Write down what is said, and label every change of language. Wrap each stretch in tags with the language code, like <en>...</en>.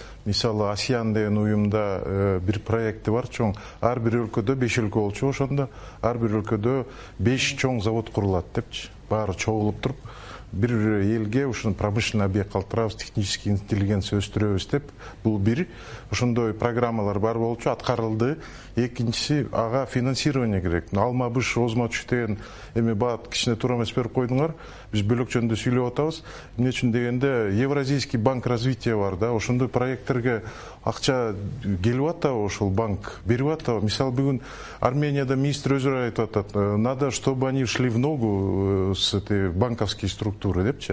<ky>Мисалы АСЕАН деген уюмда бир проекти бар чоң. Ар бир өлкөдө 5 өлкө болчу, ошондо ар бир өлкөдө 5 чоң завод курулат депчи. Баары чогулуп туруп бир элге ушуну</ky> <ru>промышленный объект</ru> <ky>калтырабыз,</ky> <ru>технический интеллигенция</ru> <ky>өстүрөбүз деп. Бул бир ошондой программалар бар болчу, аткарылды. Экинчиси ага финансирование керек. Алма быш озма түш деген эми бат кичине туура эмес берип койдуңар. Биз бөлөк жөнүндө сүйлөп атабыз. Эмне үчүн дегенде Евразийский банк развития бар да, ошондой проекттерге акча келип атабы, ошол банк берип атабы. Мисалы бүгүн Арменияда министр өзүрө айтып атат:</ky> <ru>надо чтобы они шли в ногу с этой банковской структурой</ru> <ky>депчи.</ky>